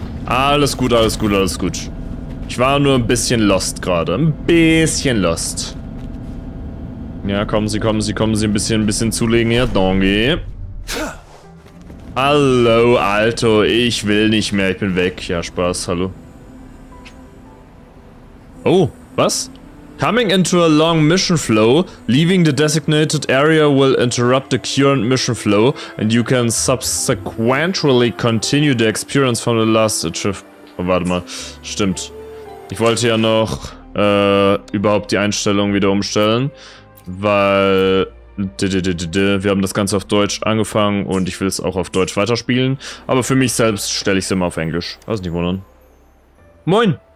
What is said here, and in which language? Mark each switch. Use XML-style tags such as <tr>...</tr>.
<de>Alles gut, alles gut, alles gut. Ich war nur ein bisschen lost gerade. Ein bisschen lost. Ja, kommen Sie ein bisschen zulegen hier. Donge. Hallo, Alto, ich will nicht mehr, ich bin weg. Ja, Spaß, hallo. Oh, was?</de> <en>Coming into a long mission flow, leaving the designated area will interrupt the current mission flow and you can subsequently continue the experience from the last achievement.</en> <de>Oh, warte mal, stimmt. Ich wollte ja noch überhaupt die Einstellung wieder umstellen, weil... Wir haben das Ganze auf Deutsch angefangen und ich will es auch auf Deutsch weiterspielen. Aber für mich selbst stelle ich es immer auf Englisch. Also nicht wundern. Moin!</de>